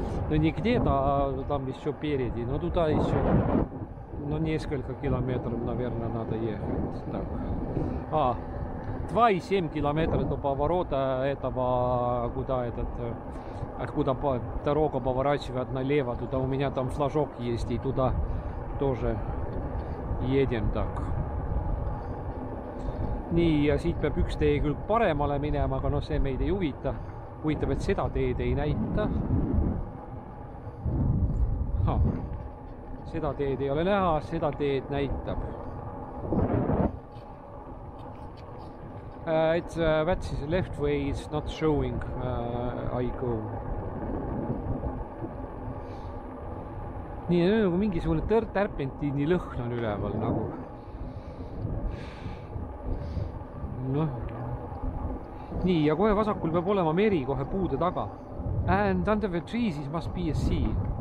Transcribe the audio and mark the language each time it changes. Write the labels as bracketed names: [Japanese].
[Russian] Но не где-то, а там еще впереди, но туда еще несколько километров, наверное, надо ехать. Так. 2,7 километра до поворота этого, куда этот, откуда дорога поворачивает налево, туда у меня там флажок есть, и туда тоже едем так. [Estonian] Nii, ja siit peab üks tee küll paremale minema, aga see meid ei huvita. Huvitab, et seda teed ei näita. Seda teed ei ole näha, seda teed näitab. [English] It's that's left way is not showing. I go. [Estonian] Nii, nagu mingisugune tärpentiini lõhn on üleval nagu. No. Nii, ja kohe vasakul peab olema meri kohe puude taga. [English] And under the trees it must be a sea.